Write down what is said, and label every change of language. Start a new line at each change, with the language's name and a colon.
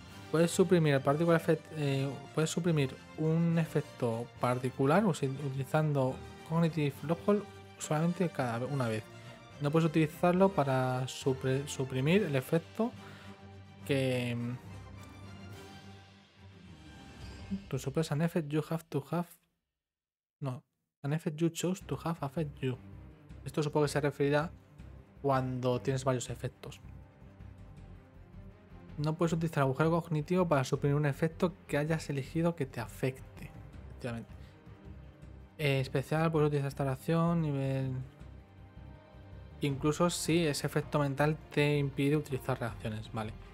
Spanish: Puedes suprimir un efecto particular utilizando Cognitive Loophole solamente una vez. No puedes utilizarlo para suprimir el efecto que...
English: To suppress an effect you have to have... No, an effect you chose to have affect you.
Spanish: Esto supongo que se referirá cuando tienes varios efectos. No puedes utilizar agujero cognitivo para suprimir un efecto que hayas elegido que te afecte. Efectivamente. Especial, puedes utilizar esta oración, nivel. Incluso si ese efecto mental te impide utilizar reacciones, vale.